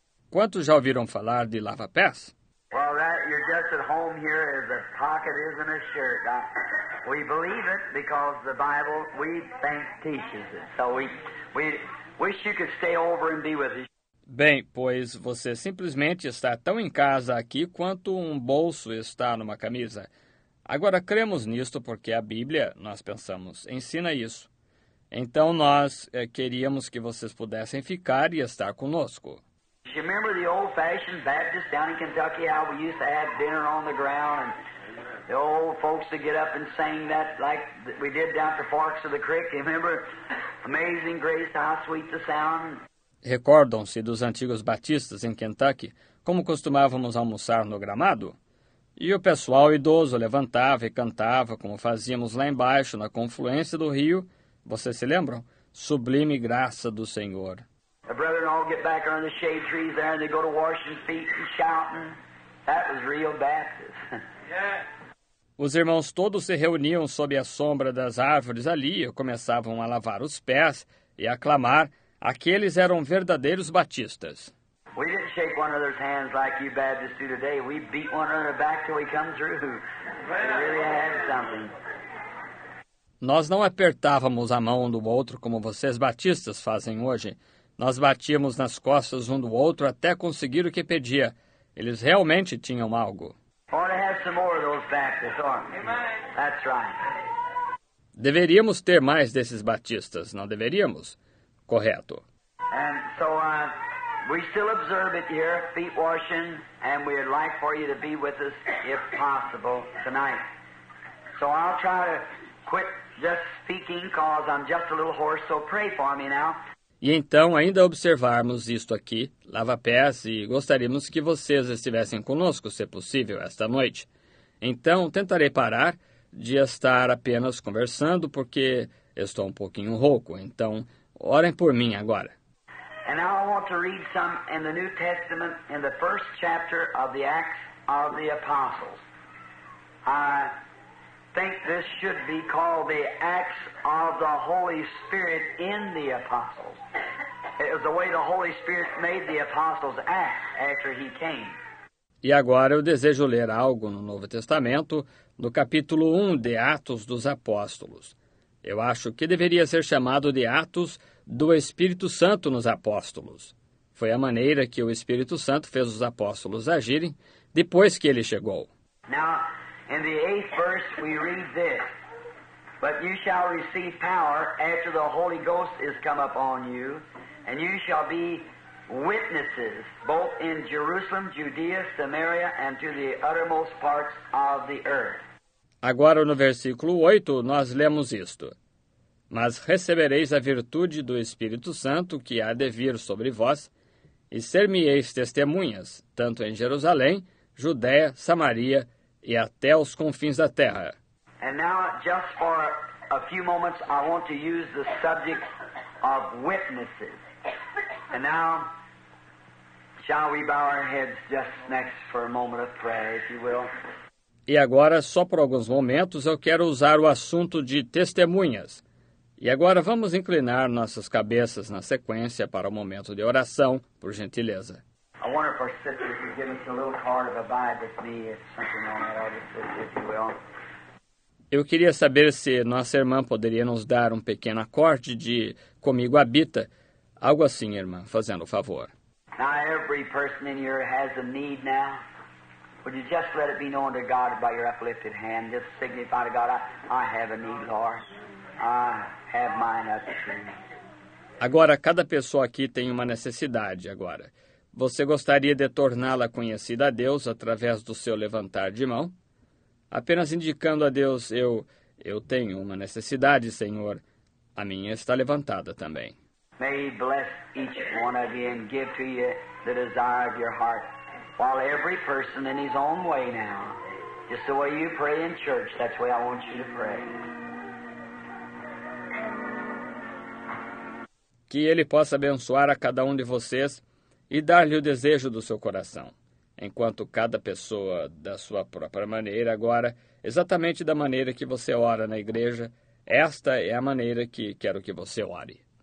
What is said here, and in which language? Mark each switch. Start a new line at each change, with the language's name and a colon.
Portuguese: Quantos já ouviram falar de lava-pés?
English: Well, that you're just at home here as a pocket is in a shirt. We believe it because the Bible, we think, teaches it. So we wish you could stay over and be with us.
Portuguese: Bem, pois você simplesmente está tão em casa aqui quanto um bolso está numa camisa. Agora, cremos nisto porque a Bíblia, nós pensamos, ensina isso. Então, nós queríamos que vocês pudessem ficar e estar conosco. Você lembra do
English: old-fashioned Baptist down in Kentucky, how we used to have dinner on the ground, and the old folks would get up and sing that like we did down the Forks of the Creek? You remember? Amazing grace, how sweet the sound.
Portuguese: Recordam-se dos antigos batistas em Kentucky, como costumávamos almoçar no gramado? E o pessoal idoso levantava e cantava, como fazíamos lá embaixo, na confluência do rio. Vocês se lembram? Sublime graça do Senhor.
English: The brethren all get back under the shade trees there, and they go to washing feet and shouting. That was real Baptist.
Portuguese: Os irmãos todos se reuniam sob a sombra das árvores ali e começavam a lavar os pés e a clamar. Aqueles eram verdadeiros batistas.
English: We didn't shake one another's hands like you Baptists do today. We beat one another back till we come through. We really had something.
Portuguese: Nós não apertávamos a mão um do outro como vocês batistas fazem hoje. Nós batíamos nas costas um do outro até conseguir o que pedia. Eles realmente tinham algo.
English: Want to have some more of those Baptists, aren't we? That's right.
Portuguese: Deveríamos ter mais desses batistas, não deveríamos? Correto.
English: And so we still observe it here, feet washing, and we'd like for you to be with us if possible tonight. So I'll try to quit just speaking because I'm just a little hoarse, so pray for me now.
Portuguese: E então, ainda observarmos isto aqui, lava-pés, e gostaríamos que vocês estivessem conosco, se possível, esta noite. Então, tentarei parar de estar apenas conversando, porque estou um pouquinho rouco. Então, orem por mim agora.
English: And now I want to read some in the New Testament, in the first chapter of the Acts of the Apostles. I think this should be called the Acts of the Holy Spirit in the Apostles. It was the way the Holy Spirit made the Apostles act after he came.
Portuguese: E agora eu desejo ler algo no Novo Testamento, no capítulo 1 de Atos dos Apóstolos. Eu acho que deveria ser chamado de Atos do Espírito Santo nos Apóstolos. Foi a maneira que o Espírito Santo fez os apóstolos agirem depois que ele chegou.
English: Now, in the 8th verse, we read this. But you shall receive power after the Holy Ghost is come upon you, and you shall be witnesses both in Jerusalem, Judea, Samaria, and to the uttermost parts of the earth.
Portuguese: Agora, no versículo 8, nós lemos isto. Mas recebereis a virtude do Espírito Santo que há de vir sobre vós, e ser-me-eis testemunhas, tanto em Jerusalém, Judéia, Samaria e até os confins da terra.
English: And now, just for a few moments, I want to use the subject of witnesses. And now, shall we bow our heads just next for a moment of prayer, if you will?
Portuguese: E agora, só por alguns momentos, eu quero usar o assunto de testemunhas. E agora vamos inclinar nossas cabeças na sequência para o momento de oração, por gentileza.
English: I wonder if our sister could give us a little card of abide with me, something on that other sister, if you will.
Portuguese: Eu queria saber se nossa irmã poderia nos dar um pequeno acorde de Comigo Habita. Algo assim, irmã, fazendo o favor.
English: Now every person in here has a need now. Would you just let it be known to God by your uplifted hand? Just signify to God, I have a need, Lord. I have mine up to me.
Portuguese: Agora, cada pessoa aqui tem uma necessidade agora. Você gostaria de torná-la conhecida a Deus através do seu levantar de mão? Apenas indicando a Deus, eu tenho uma necessidade, Senhor. A minha está levantada também.
English: May he bless each one of you and give to you the desire of your heart. While every person in his own way now, just the way you pray in church, that's the way I want you to pray.
Portuguese: Que ele possa abençoar a cada um de vocês e dar-lhe o desejo do seu coração. enquanto cada pessoa da sua própria maneira, agora, exatamente da maneira que você ora na igreja, esta é a maneira que quero que você ore.